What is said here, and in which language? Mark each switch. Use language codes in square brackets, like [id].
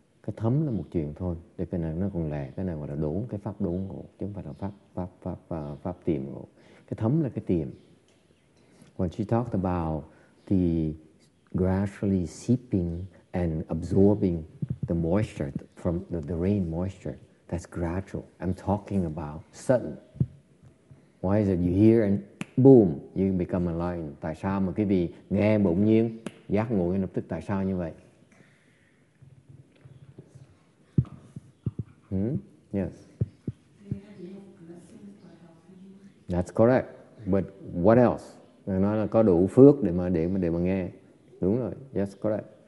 [vi] Cái thấm là một chuyện thôi. Để cái này nó còn lẻ. Cái này gọi là đốn. Cái pháp đốn ngộ. Chứ không phải là pháp tìm ngộ. Cái thấm là cái tìm. [en] When she talked about the gradually seeping and absorbing the moisture from the rain moisture, that's gradual. I'm talking about sudden. Why is it you hear and boom, you become enlightened? [vi] Tại sao mà quý vị nghe bỗng nhiên giác ngộ ngay lập tức? Tại sao như vậy? [en] Yes. That's correct. But what else? [vi] Nói là có đủ phước để mà nghe. Đúng rồi. [en] Yes, correct.